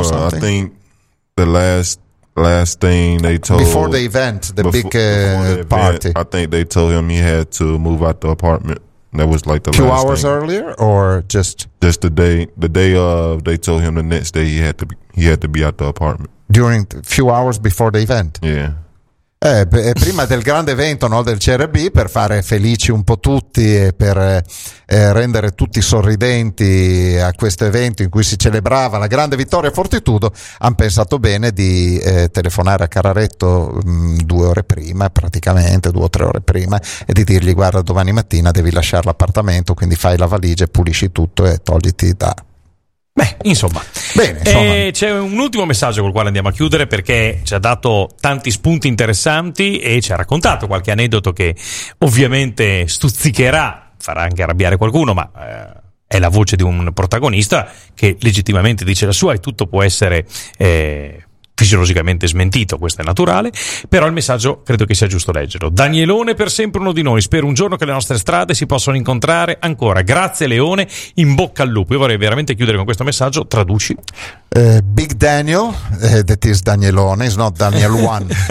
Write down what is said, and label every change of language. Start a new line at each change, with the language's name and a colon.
English: You know, I think the last thing they told before the event, the big party. I think they told him he had to move out the apartment. That was like the two last hours thing. Earlier, or just the day of. They told him the next day he had to be at the apartment during a few hours before the event. Yeah,
Italian: prima del grande evento, no, del CRB, per fare felici un po' tutti e per rendere tutti sorridenti a questo evento in cui si celebrava la grande vittoria Fortitudo, hanno pensato bene di telefonare a Carraretto due ore prima, praticamente due o tre ore prima, e di dirgli guarda, domani mattina devi lasciare l'appartamento, quindi fai la valigia, pulisci tutto e togliti da... Beh, insomma. Bene, insomma. C'è un ultimo messaggio col quale andiamo a chiudere, perché ci ha dato tanti spunti interessanti e ci ha raccontato qualche aneddoto che ovviamente stuzzicherà, farà anche arrabbiare qualcuno, ma è la voce di un protagonista che legittimamente dice la sua e tutto può essere fisiologicamente smentito, questo è naturale, però il messaggio credo che sia giusto leggerlo. Danielone, per sempre uno di noi, spero un giorno che le nostre strade si possano incontrare ancora. Grazie Leone, in bocca al lupo. Io vorrei veramente chiudere con questo messaggio, traduci.
English: Big Daniel, that is Danielone, it's not Daniel One.